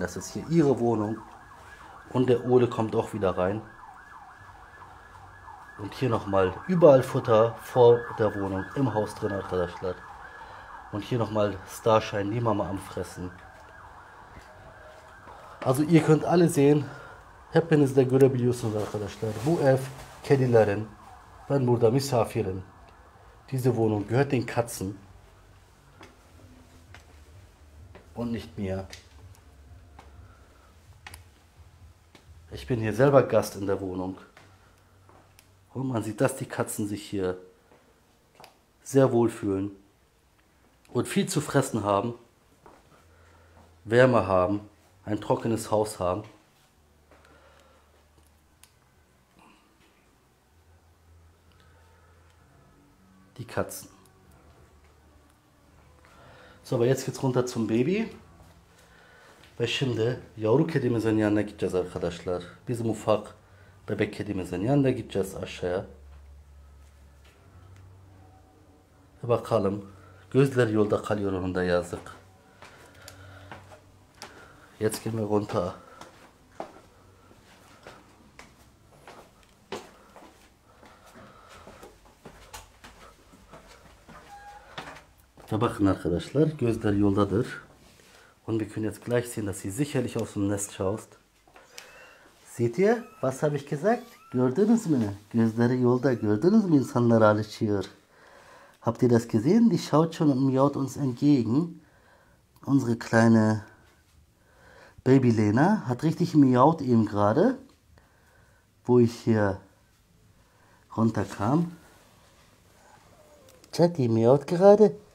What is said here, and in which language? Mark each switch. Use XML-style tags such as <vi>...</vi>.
<de>Das ist hier ihre Wohnung. Und der Ole kommt auch wieder rein. Und hier nochmal überall Futter vor der Wohnung, im Haus drin, arkadaşlar. Und hier nochmal Starshine, die Mama am Fressen. Also ihr könnt alle sehen.</de> <tr>Hepiniz de görebiliyorsunuz arkadaşlar. Bu ev kedilerin. Ben burada misafirim.</tr> <de>Diese Wohnung gehört den Katzen. Und nicht mir. Ich bin hier selber Gast in der Wohnung. Und man sieht, dass die Katzen sich hier sehr wohl fühlen und viel zu fressen haben, Wärme haben, ein trockenes Haus haben. Die Katzen. So, aber jetzt geht's runter zum Baby.</de> <tr>Ve şimdi yavru kedimizin yanına gideceğiz arkadaşlar. Bizim ufak bebek kedimizin yanına gideceğiz aşağıya. Ve bakalım. Gözler yolda kalıyor, onun da yazık.</tr> <de>Jetzt gehen wir runter.</de> <tr>bakın arkadaşlar, gözler yoldadır.</tr> <de>Und wir können jetzt gleich sehen, dass sie sicherlich aus dem Nest schaust. Seht ihr, was habe ich gesagt?</de> <tr>Gördünüz mü? Gözleri yolda, gördünüz mü insanlar alışıyor?</tr> <de>Habt ihr das gesehen? Die schaut schon und miaut uns entgegen. Unsere kleine Baby Lena hat richtig miaut eben gerade, wo ich hier runterkam. Chat, die miaut gerade.</de>